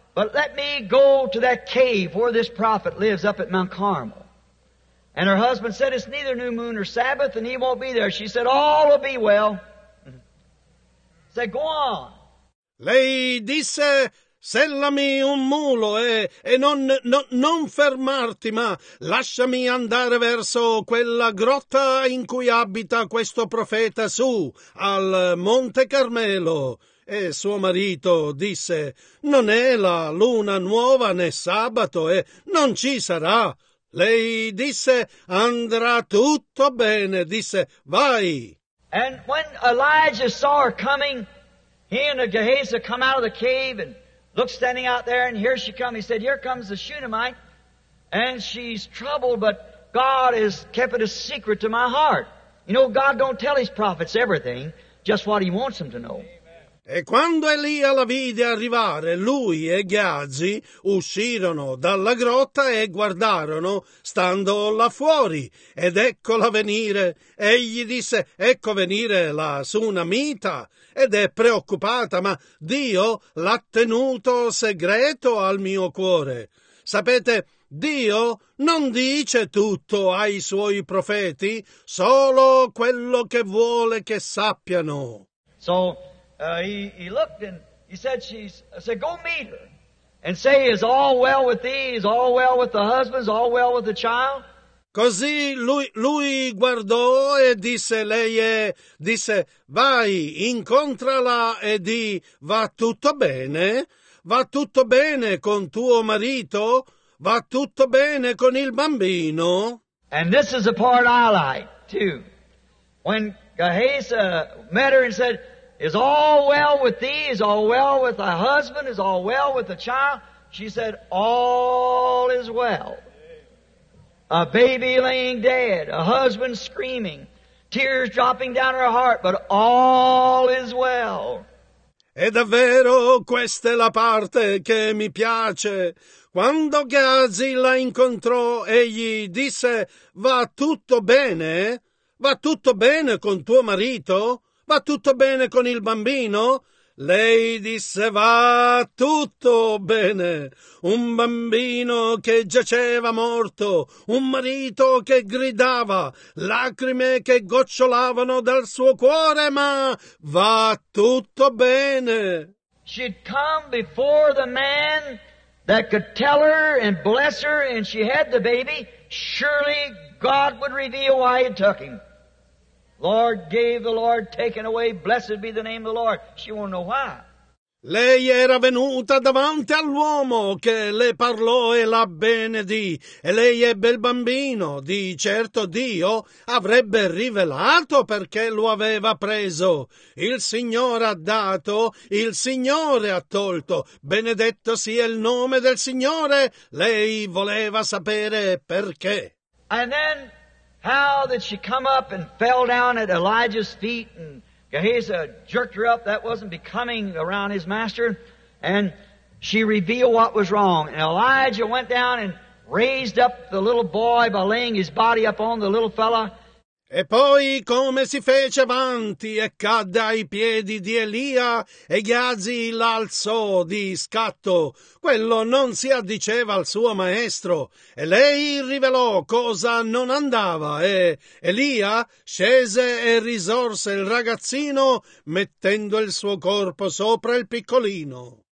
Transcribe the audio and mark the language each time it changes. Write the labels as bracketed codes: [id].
[en] But let me go to that cave where this prophet lives up at Mount Carmel. And her husband said, it's neither new moon or Sabbath, and he won't be there. She said, all will be well. He said, go on. [it] Lei disse, sellami un mulo e non fermarti, ma lasciami andare verso quella grotta in cui abita questo profeta su, al Monte Carmelo. E suo marito disse, non è la luna nuova né sabato e non ci sarà. Lei disse, andrà tutto bene. Disse, vai. [en] And when Elijah saw her coming, he and Gehazi come out of the cave and looked standing out there, and here she comes. He said, here comes the Shunammite, and she's troubled, but God has kept it a secret to my heart. You know, God don't tell his prophets everything, just what he wants them to know. [it] E quando Elia la vide arrivare, lui e Gheazi uscirono dalla grotta e guardarono, stando là fuori, ed eccola venire. Egli disse, ecco venire la Sunamita, ed è preoccupata, ma Dio l'ha tenuto segreto al mio cuore. Sapete, Dio non dice tutto ai suoi profeti, solo quello che vuole che sappiano. [en] So, he looked and he said, I said, go meet her and say, is all well with thee? Is all well with the husband? Is all well with the child? [it] Così lui guardò e disse, disse, vai, incontrala e di, va tutto bene? Va tutto bene con tuo marito? Va tutto bene con il bambino? [en] And this is the part I like, too. When Gehazi met her and said, is all well with thee? Is all well with thy husband? Is all well with the child? She said, all is well. A baby laying dead, a husband screaming, tears dropping down her heart, but all is well. [it] E davvero questa è la parte che mi piace. Quando Gheazi la incontrò, egli disse, va tutto bene? Va tutto bene con tuo marito? Va tutto bene con il bambino? Lei disse, va tutto bene. Un bambino che giaceva morto, un marito che gridava, lacrime che gocciolavano dal suo cuore, ma va tutto bene. [en] She'd come before the man that could tell her and bless her, and she had the baby. Surely God would reveal why he took him. Lord gave, the Lord taken away, blessed be the name of the Lord. She won't know why. [it] Lei era venuta davanti all'uomo che le parlò e la benedì, e lei ebbe il bambino. Di certo Dio avrebbe rivelato perché lo aveva preso. Il Signore ha dato, il Signore ha tolto. Benedetto sia il nome del Signore. Lei voleva sapere perché. [en] And then how did she come up and fell down at Elijah's feet, and Gehazi jerked her up. That wasn't becoming around his master. And she revealed what was wrong. And Elijah went down and raised up the little boy by laying his body up on the little fella. [it] E poi come si fece avanti e cadde ai piedi di Elia, e Gheazi l'alzò di scatto. Quello non si addiceva al suo maestro, e lei rivelò cosa non andava, e Elia scese e risorse il ragazzino mettendo il suo corpo sopra il piccolino.